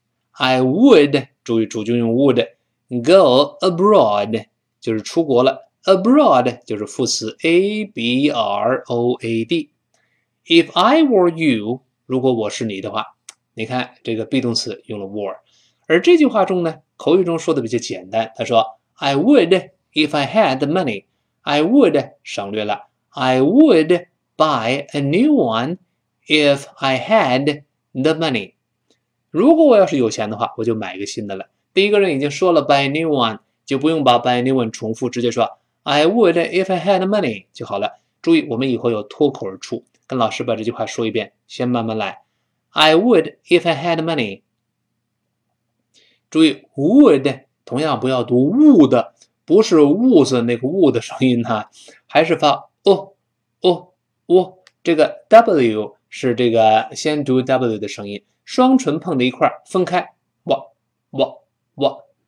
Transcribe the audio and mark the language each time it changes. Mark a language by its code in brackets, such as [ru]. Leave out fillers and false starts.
[en] I would， [zh] 注意主句用 would， [en] go abroad [zh] 就是出国了。 abroad 就是副词 a b r o a d。 [en] If I were you， [zh] 如果我是你的话，你看这个 be 动词用了 were。而这句话中呢，口语中说的比较简单。他说 [en] I would if I had the money。 [zh] I would 省略了 [en] I would buy a new one if I had the money。 [zh] 如果我要是有钱的话，我就买一个新的了。第一个人已经说了 [en] buy a new one， [zh] 就不用把 buy a new one 重复，直接说 [en] I would if I had the money [zh] 就好了。注意我们以后有脱口而出，跟老师把这句话说一遍，先慢慢来。 [en] I would if I had the money。 [zh] 注意 would 同样不要读 would，不是物字那个物的声音呢、啊、还是发哦哦哦，这个 W 是这个先读 W 的声音，双唇碰在一块分开，哇哇哇